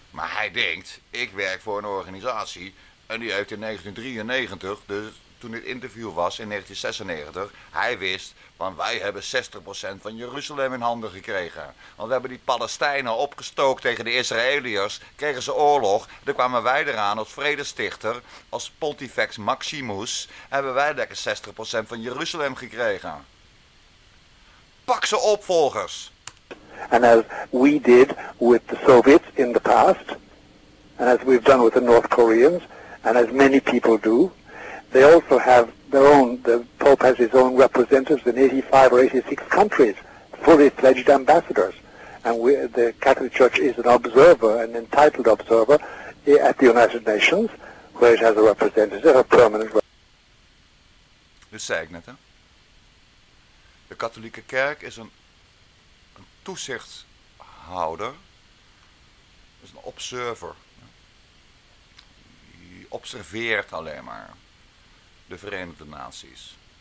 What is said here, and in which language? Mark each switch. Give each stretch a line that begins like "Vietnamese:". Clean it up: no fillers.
Dutch: Maar hij denkt, ik werk voor een organisatie. En die heeft in 1993, dus toen dit interview was in 1996, hij wist, want wij hebben 60% van Jeruzalem in handen gekregen. Want we hebben die Palestijnen opgestookt tegen de Israëliërs, kregen ze oorlog. Dan kwamen wij eraan als vredestichter, als Pontifex Maximus, hebben wij lekker 60% van Jeruzalem gekregen. Pak ze opvolgers!
English: And as we did with the Soviets in the past, and as we've done with the North Koreans, and as many people do, they also have their own, the Pope has his own representatives in 85 or 86 countries, fully fledged ambassadors. And we, the Catholic Church is an observer, an entitled observer, at the United Nations, where it has a representative, a permanent representative.
Dutch: Dat zei ik net, hè? De Katholieke Kerk is een toezichthouder, is een observer. Die observeert alleen maar. De Verenigde Naties.